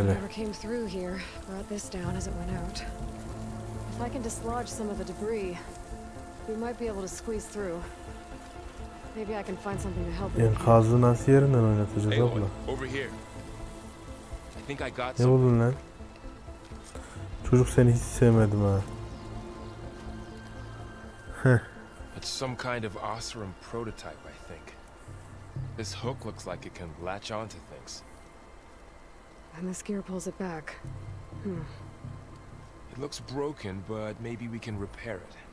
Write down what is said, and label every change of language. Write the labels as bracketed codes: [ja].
[en] Whoever came through here brought this down as it went out. If I can dislodge some of the debris, we might be able to squeeze through. Maybe I can find something to help. [tr] Enkazı nasıl yerinden oynatacağız abla? [en] Over here. I think I got. [tr] Ne buldun lan? Çocuk seni hiç sevmedim ha. [en] It's some kind of Osram prototype, I think. This hook looks like it can latch onto things. And this gear pulls it back. It looks broken, but maybe we can repair it.